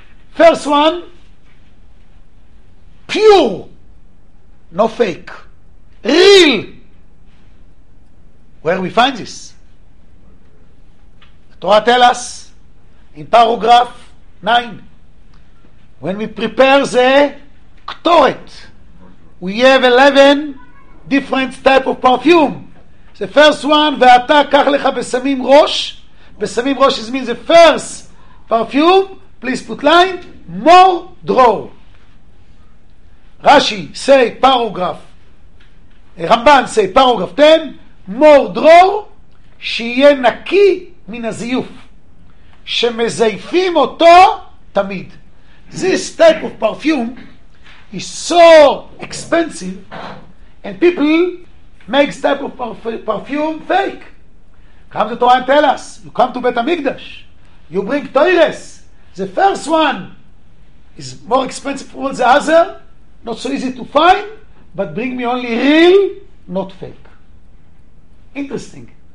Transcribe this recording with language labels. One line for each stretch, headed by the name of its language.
English: First one, pure, no fake, real. Where we find this? The Torah tells us in paragraph 9, when we prepare the Ktoret, we have 11 different type of perfume. The first one,
Hebrew: ואתה קח לך בסמים ראש. בסמים ראש
English: is mean the first perfume. Please put line. More draw. Rashi say paragraph. Ramban say paragraph 10.
Hebrew: מור דרור, שיהיה נקי מן הזיוף, שמזייפים אותו תמיד.
English: This type of perfume is so expensive and people make type of perfume fake. Come to Torah and tell us, you come to Bet HaMikdash, you bring toires, the first one is more expensive than the other, not so easy to find, but bring me only real, not fake. Interesting.